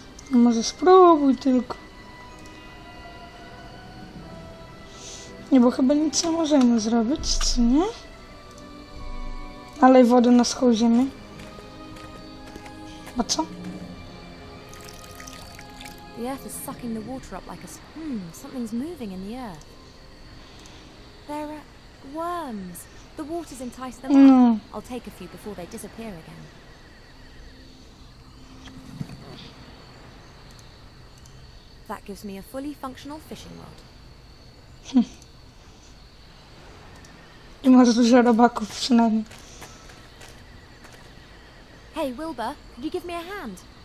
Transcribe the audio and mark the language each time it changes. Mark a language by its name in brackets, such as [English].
[Polish] Może spróbuj tylko. Nie, bo chyba nic nie możemy zrobić, co nie? Ale wodę na schodzie ziemi. A co? [English] The earth is sucking the water up like a something's moving in the earth. There are worms. The water's enticed them. [Polish] No. [English] I'll take a few before they disappear again. That gives me a fully functional fishing rod. [Polish] I masz dużo robaków przynajmniej. [English] Hey Wilbur, could you give me a hand?